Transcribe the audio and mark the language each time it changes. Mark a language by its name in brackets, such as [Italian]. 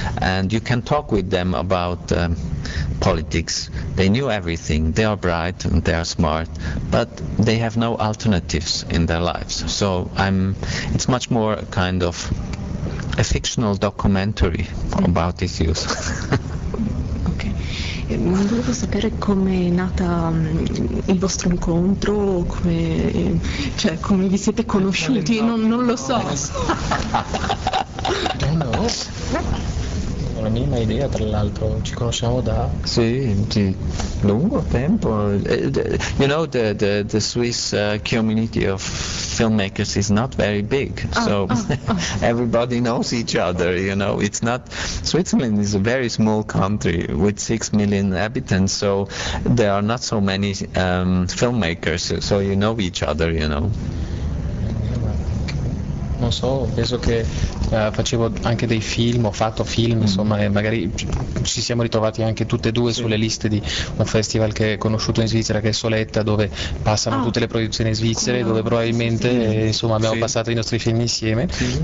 [English] And you can talk with them about politics. They knew everything. They are bright and they are smart, but they have no alternatives in their lives. So it's much more a kind of a fictional documentary about this youth. [Italian] Volevo sapere come è nata il vostro incontro, come vi siete conosciuti, non lo so. [English] Don't know. [Italian] minima idea, tra l'altro, ci conosciamo da... Sì, di lungo tempo. [English] You know, the Swiss community of filmmakers is not very big, everybody knows each other, you know. It's not... Switzerland is a very small country with 6 million inhabitants, so there are not so many filmmakers, so you know each other, you know. [Italian] Non so, penso che facevo anche dei film, ho fatto film, insomma, e magari ci siamo ritrovati anche tutte e due sulle liste di un festival che è conosciuto in Svizzera, che è Soletta, dove passano tutte le produzioni svizzere, dove probabilmente insomma, abbiamo passato i nostri film insieme. Sì.